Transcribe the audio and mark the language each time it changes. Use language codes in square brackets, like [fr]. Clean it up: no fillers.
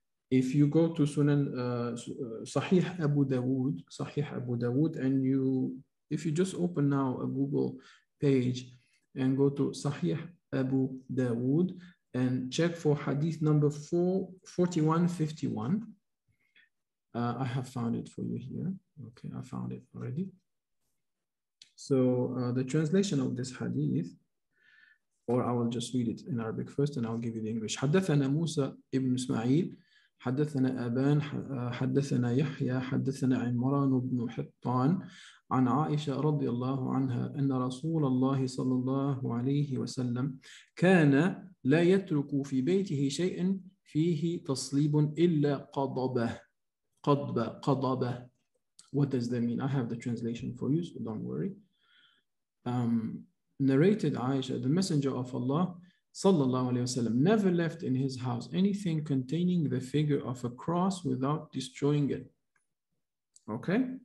[en] If you go to Sunan Sahih Abu Dawood, Sahih Abu Dawood, and you, if you just open now a Google page and go to Sahih Abu Dawood and check for hadith number 4151. I have found it for you here. Okay, I found it already. So the translation of this hadith, or I will just read it in Arabic first and I'll give you the English. [ar] حدثنا موسى ابن اسماعيل حدثنا أبان حدثنا يحيى حدثنا عمران بن حطان عن عائشة رضي الله عنها أن رسول الله صلى الله عليه وسلم كان لا يترك في بيته شيء فيه تصليب إلا قضبه قضبه قضبه. [en] What does that mean? I have the translation for you, so don't worry. Narrated Aisha, the messenger of Allah sallallahu alayhi wa sallam never left in his house anything containing the figure of a cross without destroying it. Okay?